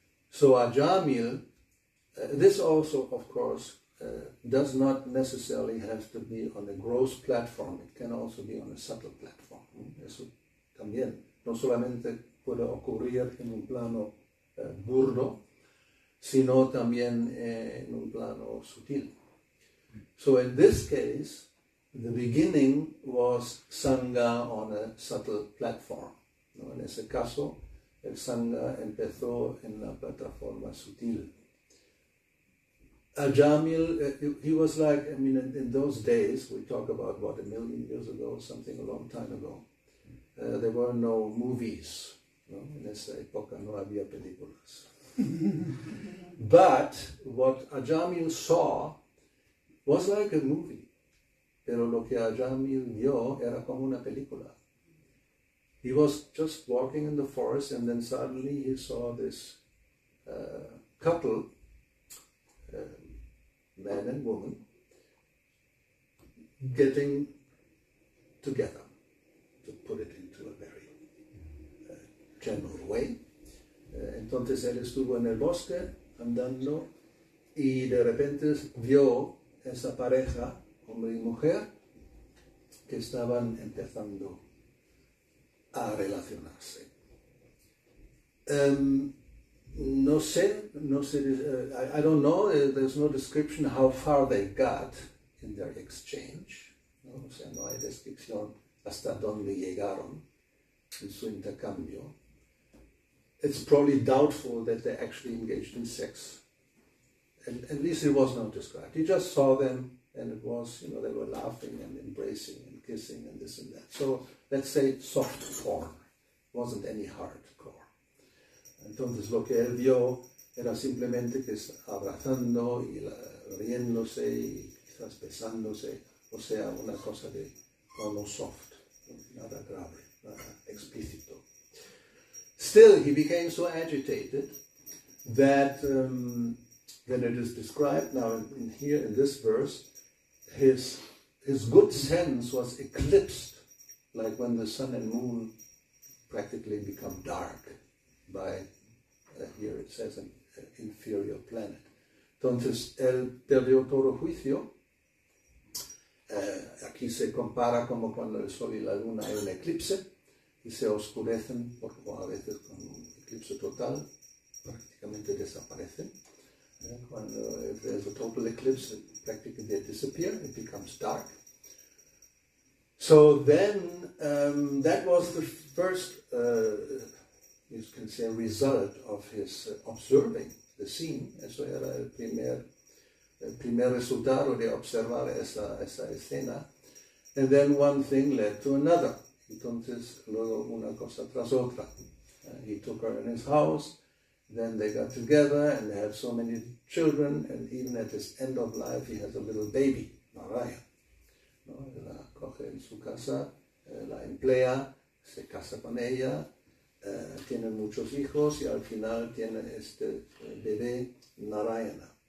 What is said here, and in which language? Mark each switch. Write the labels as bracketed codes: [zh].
[en] So Ajamil, this also, of course, does not necessarily have to be on a gross platform. It can also be on a subtle platform. [es] Eso también. No solamente puede ocurrir en un plano burdo, sino también en un plano sutil. [en] So in this case, the beginning was sangha on a subtle platform. [es] ¿No? En ese caso, el sangha empezó en la plataforma sutil. [en] Ajamil, he was like, I mean, in those days, we talk about what, a million years ago, something a long time ago, there were no movies. [es] ¿No? En esa época no había películas. [en] But what Ajamil saw was like a movie. [es] Pero lo que Ajamil vio era como una película. [en] He was just walking in the forest and then suddenly he saw this couple, man and woman, getting together, to put it into a very general way. [es] Entonces él estuvo en el bosque andando y de repente vio esa pareja, hombre y mujer, que estaban empezando a relacionarse. [en] I don't know, there's no description how far they got in their exchange. [es] No, o sea, no hay descripción hasta dónde llegaron en su intercambio. [en] It's probably doubtful that they actually engaged in sex. And at least it was not described. He just saw them and it was, you know, they were laughing and embracing and kissing and this and that. So let's say soft porn. Wasn't any hardcore. [es] Entonces lo que él vio era simplemente que abrazando y riéndose y quizás besándose. O sea, una cosa de como soft, nada grave, nada explícito. [en] Still, he became so agitated that when it is described now in here in this verse, his good sense was eclipsed, like when the sun and moon practically become dark by, here it says, an inferior planet. [es] Entonces, él perdió todo juicio. Aquí se compara como cuando el sol y la luna hay un eclipse. y se oscurecen, porque a veces con un eclipse total prácticamente desaparecen. [en] Cuando there's a total eclipse, practically they disappear, it becomes dark. So then, that was the first, you can say, result of his observing the scene. [es] Eso era el primer resultado de observar esa escena. [en] And then one thing led to another. [es] Entonces, luego una cosa tras otra. [en] He took her in his house. Then they got together and they had so many children. And even at his end of life, he has a little baby, Maraya. [es] ¿No? La coge en su casa, la emplea, se casa con ella, tiene muchos hijos y al final tiene este bebé, Narayana.